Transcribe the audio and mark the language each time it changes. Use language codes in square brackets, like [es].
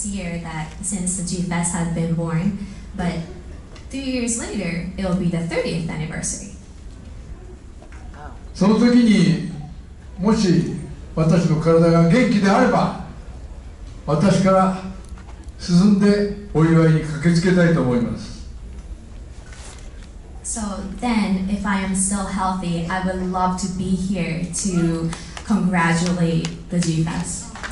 [en] G-Fest has been born, but 3 years later, it will be the 30th anniversary. [ja] その時にもし私の体が元気であれば、私から進んでお祝いに駆けつけたいと思います。 [en] So then, if I am still healthy, I would love to be here to congratulate the G-Fest.